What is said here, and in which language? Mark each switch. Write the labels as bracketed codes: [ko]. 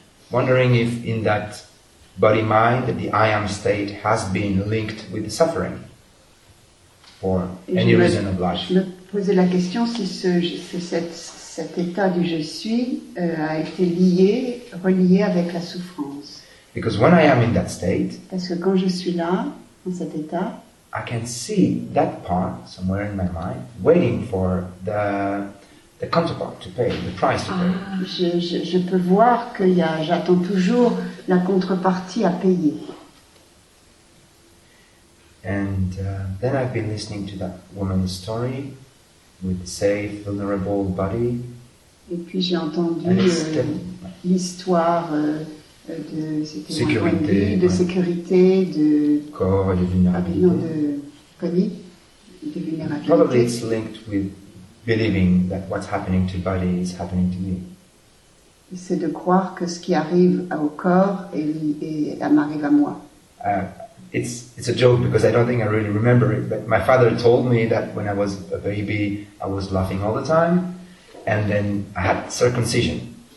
[en] Wondering if in that body-mind, the I am state has been linked with the suffering. For any reason of life. [fr] Je me posais la question si cet état du je suis a été relié avec la souffrance. [en] Because when I am in that state, [fr] parce que quand je suis là, dans cet état, [en] I can see that part somewhere in my mind, waiting for the counterpart to pay, the price to pay. [fr] Je peux voir que j'attends toujours la contrepartie à payer. [en] And then I've been listening to that woman's story with the safe, vulnerable body. [fr] Et puis j'ai entendu l'histoire de sécurité, corps et de vulnérabilité. [en] Probably it's linked with believing that what's happening to body is happening to me. [fr] C'est de croire que ce qui arrive au corps est m'arrive à moi. [en] It's a joke because I don't think I really remember it, but my father told me that when I was a baby, I was laughing all the time, and then I had circumcision.